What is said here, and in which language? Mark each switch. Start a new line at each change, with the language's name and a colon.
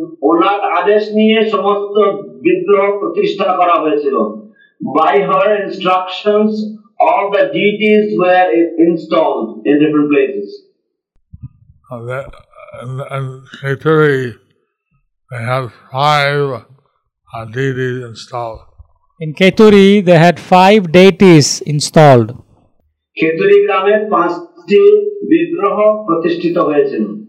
Bangla: ওনার আদেশ নিয়ে সমস্ত বিগ্রহ প্রতিষ্ঠা করা হয়েছিল।
English: By her instructions, all the deities were installed in different places. And Khetri, they had 5 deities installed. In Khetri, they had 5 deities installed.
Bangla: Khetri গ্রামে 5টি বিগ্রহ প্রতিষ্ঠিত হয়েছিল।